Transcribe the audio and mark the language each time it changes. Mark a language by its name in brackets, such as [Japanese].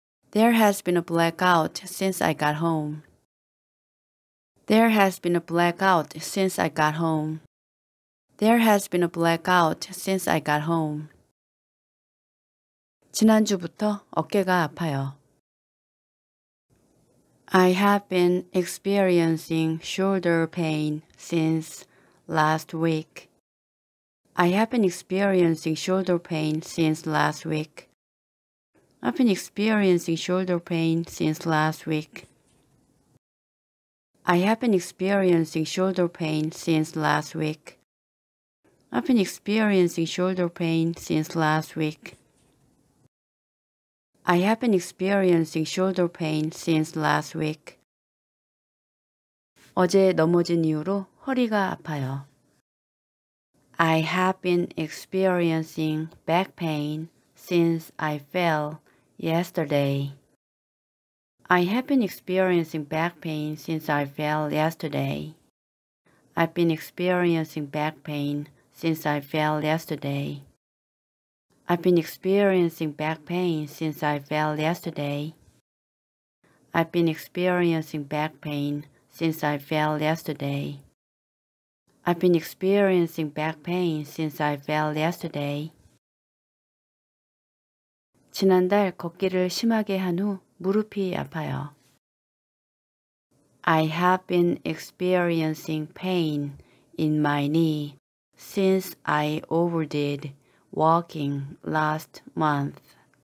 [English] There has been a blackout since I got home. There has been a blackout since I got home. There has been a blackout since I got home. [Korean] 지난주부터 어깨가 아파요. [English] I have been experiencing shoulder pain since last week. I have been experiencing shoulder pain since last week. I've been experiencing shoulder pain since last week. I have been experiencing shoulder pain since last week. I've been experiencing shoulder pain since last week. I have been experiencing shoulder pain since last week. [Korean] 어제 넘어진 이후로 허리가 아파요. [English] I have been experiencing back pain since I fell yesterday. I have been experiencing back pain since I fell yesterday. I've been experiencing back pain since I fell yesterday. I've been experiencing back pain since I fell yesterday. I've been experiencing back pain since I fell yesterday. I've been experiencing back pain since I fell yesterday. [Korean] 지난달 걷기를 심하게 한 후 무릎이 아파요. [English] I have been experiencing pain in my knee since I overdid walking last month.